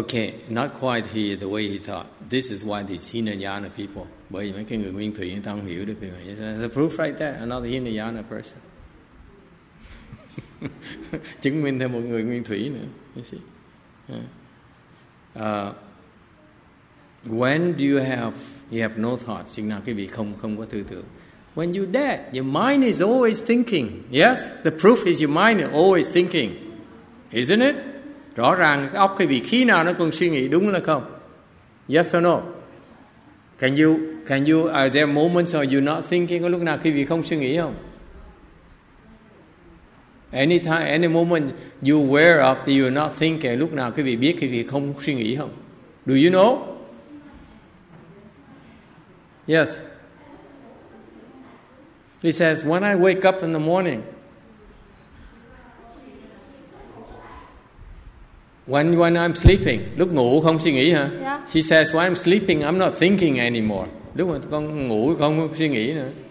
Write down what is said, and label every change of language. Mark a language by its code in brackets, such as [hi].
[en] Okay, not quite here the way he thought. This is why these Hinayana people, [vi] bởi vì mấy cái người nguyên thủy không hiểu được. [en] There's a proof right there, another Hinayana person. [vi] Chứng minh thêm một người nguyên thủy nữa. [en] You see? When do you have no thoughts? [vi] Chừng nào quý vị không có tư tưởng. [en] When you're dead, your mind is always thinking. Yes, the proof is your mind is always thinking. Isn't it? [vi] Rõ ràng cái óc quý vị khi nào nó còn suy nghĩ, đúng là không? [en] Yes or no? Can you, are there moments where you're not thinking? [vi] Lúc nào quý vị không suy nghĩ không? [en] Any time, any moment you aware of that you're not thinking, [vi] lúc nào quý vị biết quý vị không suy nghĩ không? [en] Do you know? Yes. He says, when I wake up in the morning, when I'm sleeping, [vi] lúc ngủ không suy nghĩ hả? [en] Yeah. She says, when I'm sleeping, I'm not thinking anymore. [vi] Lúc mà con ngủ không suy nghĩ nữa.